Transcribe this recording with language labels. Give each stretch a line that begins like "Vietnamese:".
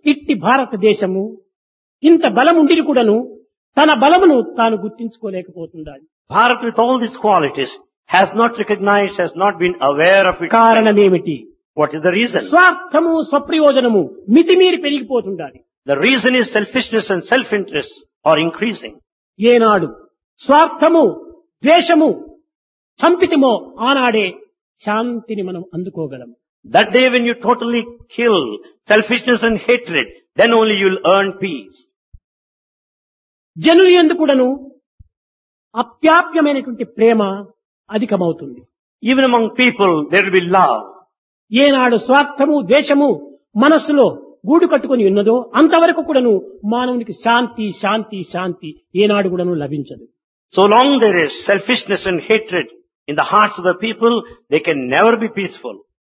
Telugu: ఇట్టి భారతదేశము ఇంత బలం ఉండి కూడాను తన బలమును తాను గుర్తించుకోలేకపోతుండాలి.
English: Bharat with all these qualities has not recognized, has not been aware of it.
Telugu: కారణం ఏమిటి?
English: What is the reason?
Telugu: స్వార్థము స్వప్రయోజనము మితిమీరి పెరిగిపోతుండాలి.
English: The reason is selfishness and self-interest are increasing.
Telugu: ఏనాడు స్వార్థము ద్వేషము చంపితమో ఆనాడే శాంతిని మనం అందుకోగలం.
English: That day when you totally kill selfishness and hatred, then only you will earn peace.
Telugu: జనుల యందు కూడాను అప్యాప్యమైనటువంటి ప్రేమ అధికమవుతుంది.
English: Even among people there will be love.
Telugu: ఏనాడు స్వార్థము ద్వేషము మనస్సులో గూడు కట్టుకుని ఉన్నదో అంతవరకు కూడాను మానవునికి శాంతి శాంతి శాంతి ఏనాడు కూడాను లభించదు.
English: So long there is selfishness and hatred in the hearts of the people, they can never be peaceful.